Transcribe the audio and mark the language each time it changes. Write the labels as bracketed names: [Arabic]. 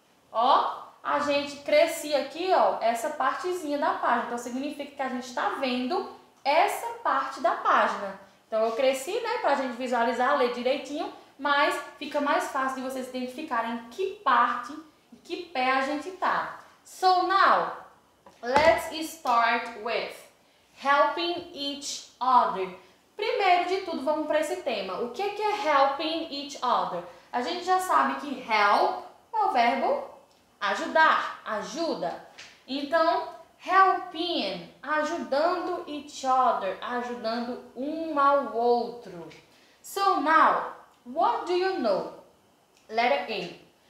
[Portuguese] Ó, a gente crescia aqui, ó, essa partezinha da página. Então, significa que a gente está vendo essa parte da página. Então, eu cresci, né, para a gente visualizar, ler direitinho, mas fica mais fácil de vocês identificarem que parte, em que pé a gente está. [English] So, now, let's start with helping each other. [Portuguese] Primeiro de tudo, vamos para esse tema. O que é helping each other? A gente já sabe que help é o verbo ajudar, ajuda. Então, helping, ajudando each other, ajudando um ao outro. [English] So now, what do you know? Letter A.